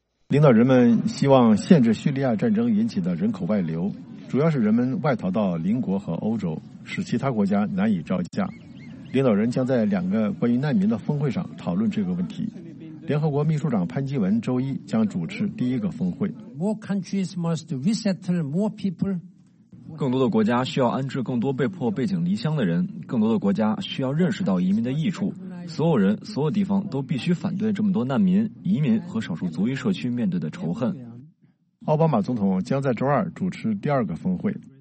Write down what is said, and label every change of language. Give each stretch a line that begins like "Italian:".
Chinese: 领导人们希望限制叙利亚战争引起的人口外流，主要是人们外逃到邻国和欧洲，使其他国家难以招架。领导人将在两个关于难民的峰会上讨论这个问题。联合国秘书长潘基文周一将主持第一个峰会。
English: More countries must resettle more people.
Chinese: 更多的国家需要安置更多被迫背井离乡的人，更多的国家需要认识到移民的益处。所有人、所有地方都必须反对这么多难民、移民和少数族裔社区面对的仇恨。奥巴马总统将在周二主持第二个峰会。